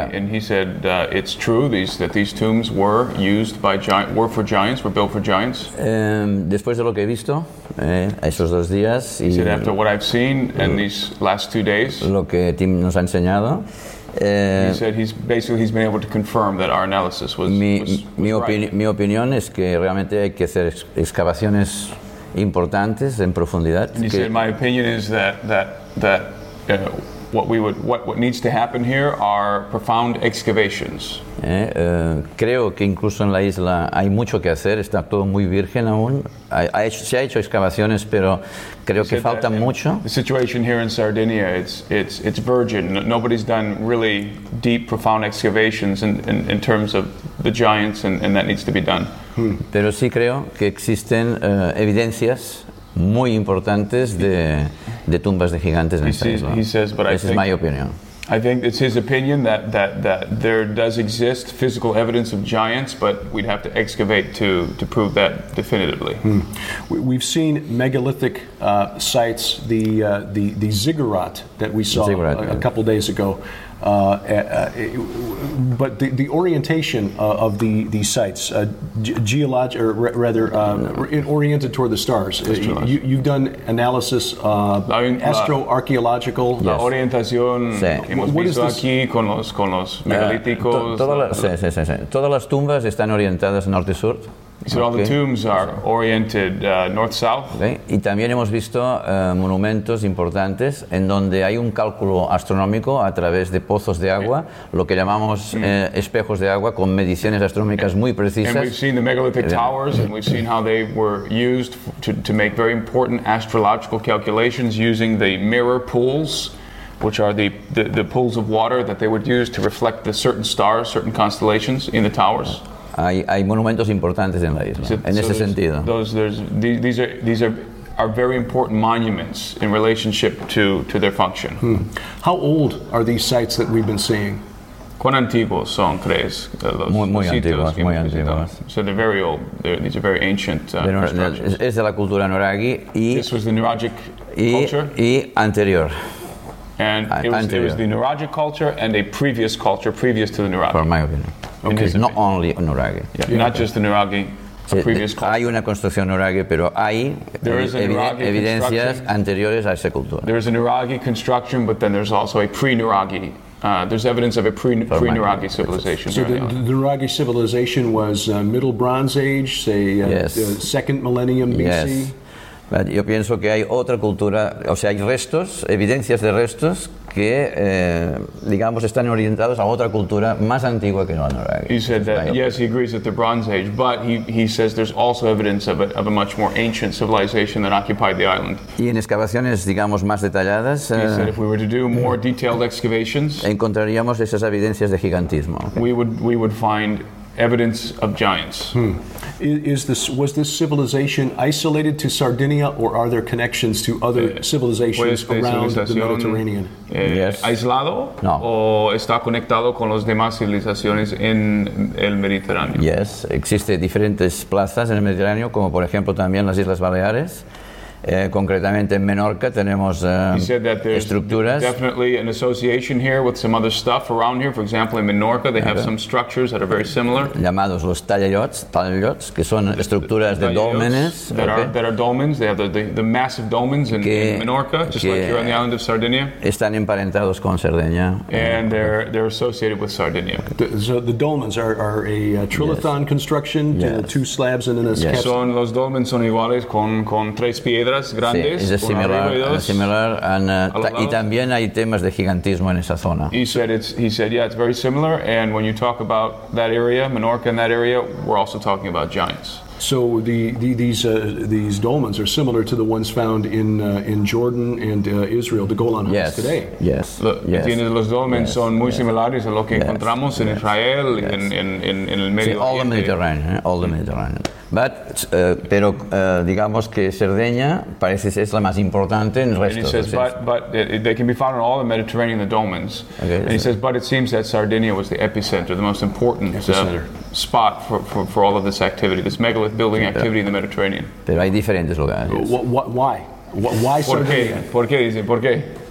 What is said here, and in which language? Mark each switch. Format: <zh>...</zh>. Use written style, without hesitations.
<en>He said it's true that these tombs were used by giants, were for giants, were built for giants.</en> <es>Después de lo que he visto esos dos días,</es> <en>he said after what I've seen in these last 2 days,</en> <es>lo que Tim nos ha enseñado.</es> <en>He's been able to confirm that our analysis was</en> <es>mi opinión es que realmente hay que hacer excavaciones importantes en profundidad.</es> <en>And he said, my opinion is that what needs to happen here are profound excavations.</en> <es>Creo que incluso en la isla hay mucho que hacer. Está todo muy virgen aún. Se ha hecho excavaciones, pero creo que falta mucho.</es> <en>The situation here in Sardinia, it's virgin. Nobody's done really deep, profound excavations in terms of the giants, and that needs to be done.</en> <es>Pero sí creo que existen evidencias muy importantes de tumbas de gigantes en esta isla.</es> <en>He says, but this is my opinion. I think it's his opinion that there does exist physical evidence of giants, but we'd have to excavate to prove that definitively. We've seen megalithic sites, the ziggurat that we saw a couple days ago, but the orientation of the sites, oriented toward the stars. You've done analysis, astroarchaeological.</en> <es>La orientación hemos visto aquí con los megalíticos. Todas las tumbas están orientadas norte-sur.</es> <en>So all the tombs are oriented north-south. Okay.</en> <es>Y también hemos visto monumentos importantes en donde hay un cálculo astronómico a través de pozos de agua, lo que llamamos espejos de agua, con mediciones astronómicas muy precisas.</es> <en>And we've seen the megalithic towers, and we've seen how they were used to make very important astrological calculations using the mirror pools, which are the pools of water that they would use to reflect the certain stars, certain constellations in the towers.</en> <es>Hay monumentos importantes en la isla, en ese sentido.</es> <en>These are very important monuments in relationship to their function. How old are these sites that we've been seeing?</en> <es>¿Cuán antiguos son, crees? Muy antiguos.</es> <en>So they're very old. These are very ancient</en> <es>constructions. Es de la cultura Nuragi.</es> <en>This was the Nuragic culture?</en> <es>Y anterior.</es> <en>And it was the Nuragic culture and a previous culture, previous to the Nuragi. For my opinion. Okay, not only Nuragi. Yeah. Not just the Nuragi, a previous culture.</en> <es>Hay una construcción Nuragi, pero hay evidencias anteriores a esa cultura.</es> <en>There is a Nuragi construction, but then there's also a pre-Nuragi. There's evidence of a pre-Nuragi civilization. So the Nuragi civilization was Middle Bronze Age, say, second millennium BC? Yes.</en> <es>Yo pienso que hay otra cultura, o sea, hay restos, evidencias de restos que, digamos, están orientados a otra cultura más antigua que la Nuragi.</es> <en>He said that, yes, he agrees with the Bronze Age, but he says there's also evidence of a much more ancient civilization that occupied the island.</en> <es>Y en excavaciones, digamos, más detalladas,</es> <en>he said if we were to do more detailed excavations,</en> <es>encontraríamos esas evidencias de gigantismo.</es> <en>Okay. We would find evidence of giants. Was this civilization isolated to Sardinia, or are there connections to other civilizations around the Mediterranean?</en> <es>Yes. ¿Aislado? No. ¿O está conectado con las demás civilizaciones en el Mediterráneo?</es> <en>Yes.</en> <es>Existe diferentes plazas en el Mediterráneo, como por ejemplo también las Islas Baleares. Concretamente en Menorca tenemos estructuras.</es> <en>Definitely an association here with some other stuff around here. For example, in Menorca they have some structures that are very similar.</en> <es>Llamados los tallallots, que son estructuras de dólmenes.</es> <en>That are dolmens. They have the massive dolmens in Menorca, just like here on the island of Sardinia.</en> <es>Están emparentados con Cerdeña.</es> <en>And they're associated with Sardinia. So the dolmens are a trilithon construction, two slabs and then a cap.</en> <es>Son los dolmens son iguales con tres pies. Sí, es similar, y también hay temas de gigantismo en esa zona.</es> <en>He said, it's very similar, and when you talk about that area, Menorca and that area, we're also talking about giants. So these dolmens are similar to the ones found in Jordan and Israel, the Golan Heights today. Yes.</en> <es>Tienen los dolmens son muy similares a lo que encontramos en Israel en el Medio</es> <en>Oriente. All the Mediterranean.</en> <es>Digamos que Cerdeña parece ser la más importante en restos.</es> <en>And he says, but they can be found in all the Mediterranean, the dolmens. Okay, and he says, but it seems that Sardinia was the epicenter, the most important spot for all of this activity, this megalith building activity in the Mediterranean.</en> <es>Pero hay diferentes lugares.</es> <en>Why? Why Sardinia?</en> <es>¿Por qué?</es>